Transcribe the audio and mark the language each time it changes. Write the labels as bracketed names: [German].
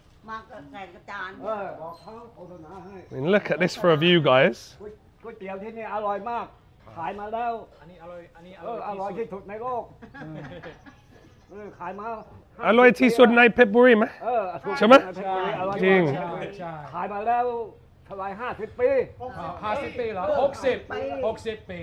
[Thai] มากับแกงกระจานเออบอกเขา โฆษณาให้ [English] I mean look at this for a view guys [Thai] ก๋วยเตี๋ยวที่นี่อร่อยมากขายมาแล้ว อันนี้อร่อย ที่สุดในโลกขายมา อร่อยที่สุดในเพชรบุรีไหมใช่ไหมจริง ขายมาแล้วเท่าไหร่50ปี 50ปีเหรอ60ปี